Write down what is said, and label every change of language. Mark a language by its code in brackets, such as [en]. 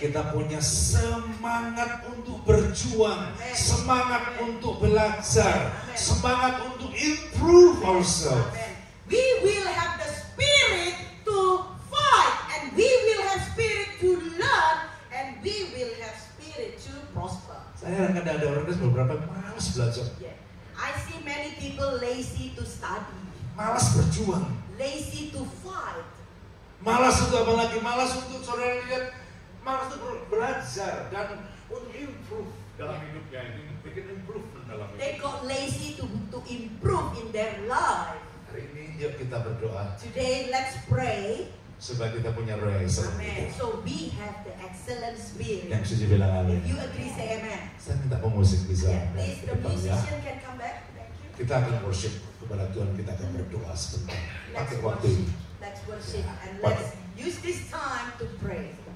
[id] kita punya semangat untuk berjuang, amen, semangat, amen, untuk belajar, amen, semangat untuk [en] improve ourselves. We will have the spirit to fight, and we will have spirit to learn, and we will have spirit to prosper. [id] Saya heran kadang ada orang yang beberapa malas belajar. [en] I see many people lazy to study. [id] Malas berjuang. [en] Lazy to fight. [id] Malas untuk apa lagi? Malas untuk saudara lihat, malas untuk belajar dan untuk improve dalam hidupnya, ini bikin improvement dalam hidup. [en] They got lazy to improve in their life. [id] Hari ini yuk kita berdoa. [en] Today let's pray. [id] Supaya kita punya roh yang excellent. [en] Amen. So we have the excellent spirit. [id] Yang suci bilang amin. [en] If you agree, say amen. [id] Saya minta pemusik bisa. [en] Yeah, please, the musician ya. Can come back. Thank you. [id] Kita akan worship kepada Tuhan. Kita akan berdoa sebentar. Pakai waktu. [en] Let's worship and let's use this time to pray.